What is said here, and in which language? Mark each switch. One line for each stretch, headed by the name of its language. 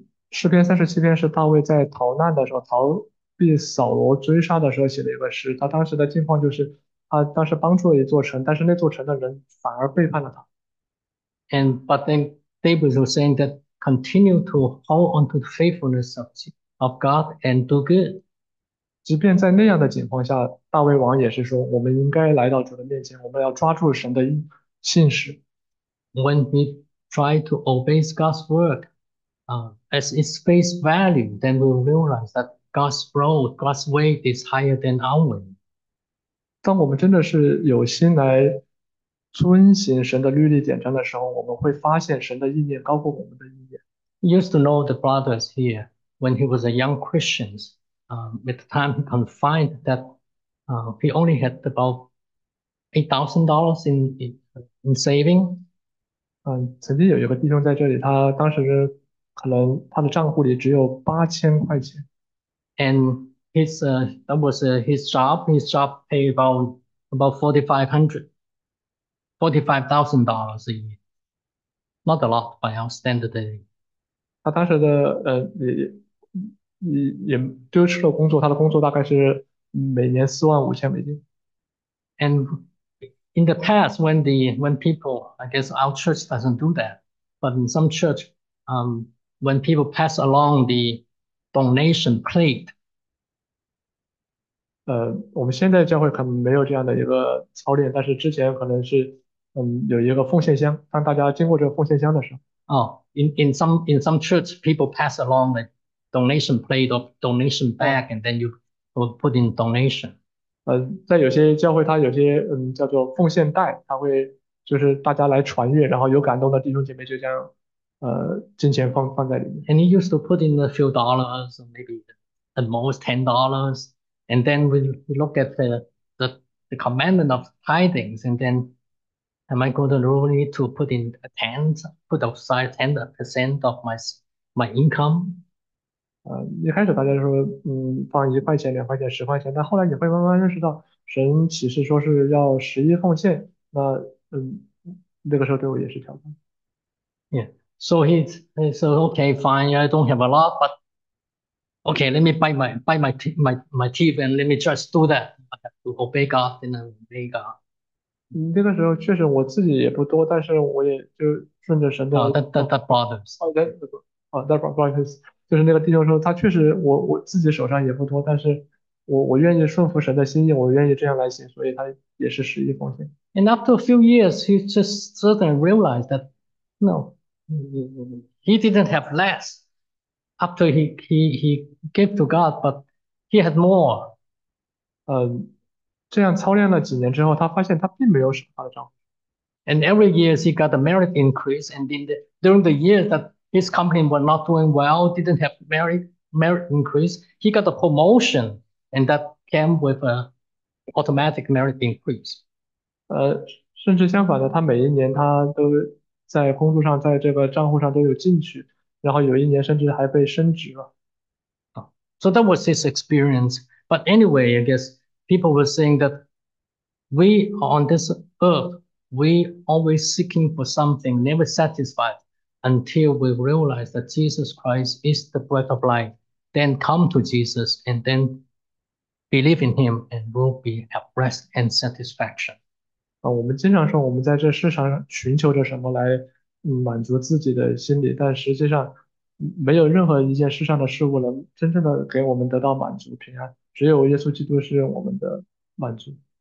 Chinese: 诗篇37篇是大卫在逃难的时候，逃避扫罗追杀的时候写的一个诗。他当时的境况就是，他当时帮助了一座城，但是那座城的人反而背叛了他。
English: But then David was saying that continue to hold on to the faithfulness of God and do good.
Chinese: 即便在那样的情况下，大卫王也是说，我们应该来到主的面前，我们要抓住神的信实。
English: When we try to obey God's word, as its face value, then we realize that God's road, God's way is higher than our way.
Chinese: 当我们真的是有心来遵循神的律例典章的时候，我们会发现神的意念高过我们的意念。
English: He used to know the brothers here when he was a young Christian. At the time, he confided that he only had about $8,000 in saving.
Chinese: 曾经有一个弟兄在这里，他当时可能他的账户里只有8000块钱。
English: And that was his job. His job paid about $45,000 a year. Not a lot by our standard day.
Chinese: 他当时的也丢失了工作，他的工作大概是每年45,000美金。
English: And in the past, when people, I guess our church doesn't do that, but in some church, when people pass along the donation plate,
Chinese: 我们现在教会可能没有这样的一个操练，但是之前可能是有一个奉献箱，当大家经过这个奉献箱的时候。
English: in some church, people pass along the donation plate or donation bag, and then you will put in donation.
Chinese: 在有些教会，它有些叫做奉献袋，它会就是大家来传阅，然后有感动的弟兄姐妹就将金钱放在里面。
English: And he used to put in a few dollars, maybe at most $10. And then we look at the commandment of tithings. And then, am I going to really to put in a tenth, put aside 10% of my income?
Chinese: 一开始大家说，放1块钱、2块钱、10块钱，但后来你会慢慢认识到，神启示说是要十一奉献，那个时候对我也是挑战。
English: So he said, okay, fine. I don't have a lot, but okay, let me bite my teeth and let me just do that. I have to obey God and obey God.
Chinese: 那个时候确实我自己也不多，但是我也就顺着神的，
English: That bothers. that practice
Chinese: 就是那个弟兄说，他确实我自己手上也不多，但是我愿意顺服神的心意，我愿意这样来行，所以他也是十一奉献。
English: And after a few years, he just suddenly realized that no, he didn't have less after he gave to God, but he had more.
Chinese: 这样操练了几年之后，他发现他并没有什么大的涨幅。
English: And every year he got a merit increase, and then during the year that his company was not doing well, didn't have merit increase, he got a promotion, and that came with an automatic merit increase.
Chinese: 甚至相反的，他每一年他都在工作上，在这个账户上都有进去，然后有一年甚至还被升职了。
English: So that was his experience. But anyway, I guess people were saying that we on this earth, we always seeking for something, never satisfied until we realize that Jesus Christ is the bread of life. Then come to Jesus and then believe in him and we'll be at rest and satisfaction.
Chinese: 我们经常说我们在这世上寻求着什么来满足自己的心理，但实际上没有任何一件世上的事物能真正的给我们得到满足平安，只有耶稣基督是我们的满足。